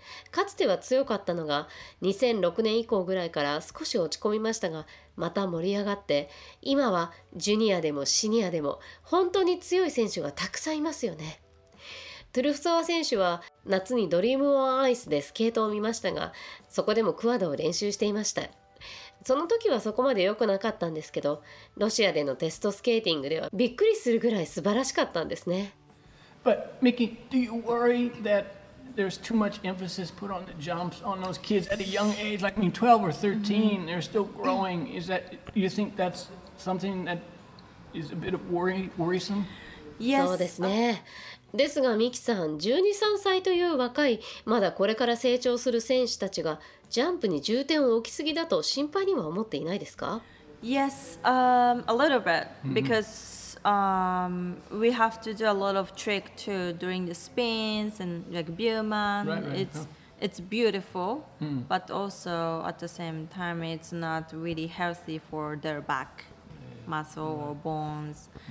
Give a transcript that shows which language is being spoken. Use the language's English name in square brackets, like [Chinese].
[Japanese] かつては強かったのが2006年以降ぐらいから少し落ち込みましたが、また盛り上がって、今はジュニアでもシニアでも本当に強い選手がたくさんいますよね。トゥルフソワ選手は夏にドリームオンアイスでスケートを見ましたが、そこでもクワドを練習していました。その時はそこまで良くなかったんですけど、ロシアでのテストスケーティングではびっくりするぐらい素晴らしかったんですね。 [English] But Mickey, do you worry thatThere's too much emphasis put on the jumps on those kids at a young age, like I mean, 12 or 13, they're still growing. Is that, you think that's something that is a bit of worrisome? Yes. [Japanese] そうですね。ですが、ミキさん、12、3歳という若い、まだこれから成長する選手たちが、ジャンプに重点を置きすぎだと心配には思っていないですか? [English] Yes, a little bit, because we have to do a lot of trick too during the spins and like Bierman. Right, right. It's beautiful, but also at the same time, it's not really healthy for their back muscle or bones.